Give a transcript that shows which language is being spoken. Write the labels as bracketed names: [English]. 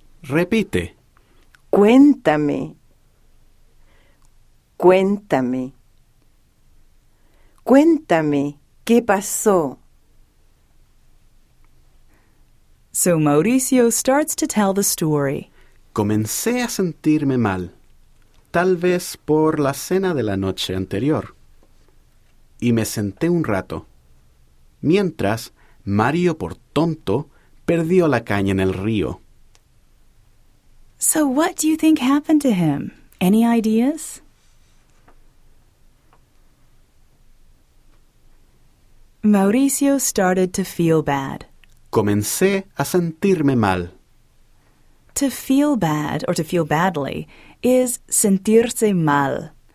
[Spanish] Repite. Cuéntame. Cuéntame. Cuéntame, ¿qué pasó? [English] So Mauricio starts to tell the story. [Spanish] Comencé a sentirme mal, tal vez por la cena de la noche anterior. Y me senté un rato. Mientras, Mario, por tonto, perdió la caña en el río. [English] So what do you think happened to him? Any ideas? Mauricio started to feel bad. [Spanish] Comencé a sentirme mal. [English] To feel bad or to feel badly is [Spanish] sentirse mal.